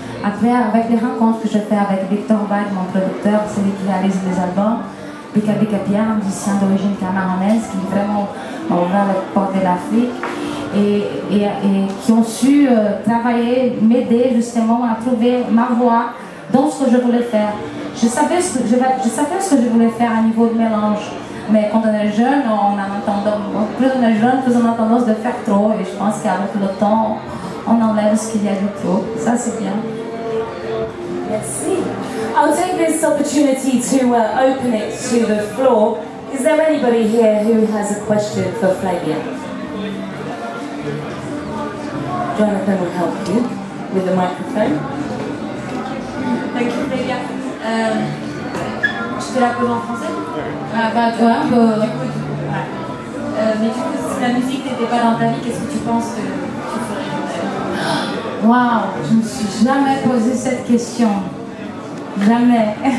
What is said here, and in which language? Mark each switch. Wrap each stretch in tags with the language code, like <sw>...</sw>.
<fr>Après, avec les rencontres que je fais avec Victor Bach, mon producteur, celui qui réalise les albums, Bika Bika Pierre, musicien d'origine camerounaise, qui est vraiment ouvert la porte de l'Afrique, et qui ont su travailler, m'aider justement à trouver ma voix dans ce que je voulais faire. Je savais ce que je voulais faire à niveau de mélange, mais quand on est jeune, plus on a tendance de faire trop, et je pense qu'avec le temps, on enlève ce qu'il y a de trop. Ça, c'est bien. Merci.</fr> <en>I'll take this opportunity to open it to the floor. Is there anybody here who has a question for Flavia? Jonathan will help you with the microphone. Thank you, Flavia.</en> <fr>Tu te la connais en français? Ah, bah, toi, ouais, du coup, mais du coup, si la musique n'était pas dans ta vie, qu'est-ce que tu penses que tu ferais? Waouh, je ne me suis jamais posé cette question. Jamais.</fr>